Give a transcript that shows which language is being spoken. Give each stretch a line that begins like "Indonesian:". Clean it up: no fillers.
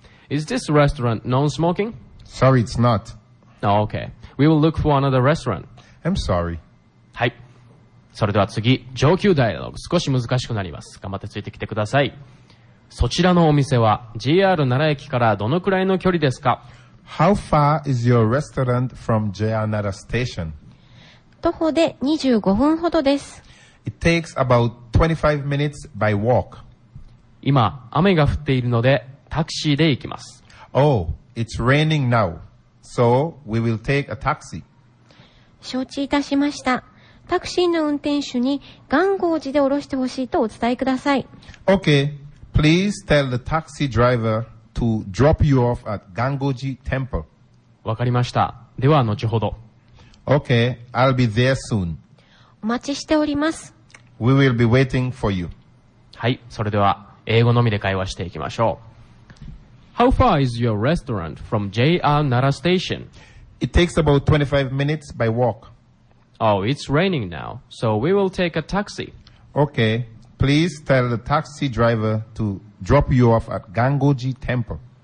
English: Is this restaurant non-smoking? Sorry, it's not. Oh, okay. We will look for another restaurant. I'm sorry.
Japanese: はい。それでは次、上級ダイアログ。少し難しくなります。頑張ってついてきてください。そちらのお店は JR 奈良駅からどのくらいの距離ですか？
English: How far is your restaurant from JR 奈良 station?
Japanese: 徒歩で25分ほどです。
English: It takes about 25 minutes by walk.
Japanese: 今、雨が降っているので、タクシーで行きます。
English: Oh, it's raining now. So, we will take a taxi.
Japanese: 承知いたしました。タクシーの運転手に、元号寺で降ろしてほしいとお伝えください。
English: Okay, please tell the taxi driver to drop you off at 元号寺 temple.
Japanese: わかりました。では、後ほど。
English: Okay, I'll be there soon.
Japanese: お待ちしております。
English: We will be waiting for you.
Japanese: はい、それでは英語のみで会話していきましょう。
English: How far is your restaurant from JR 奈良 station? It takes about 25 minutes by walk. Oh, it's raining now, so we will take a taxi. Okay, please tell the taxi driver to drop you off at 元号寺 temple.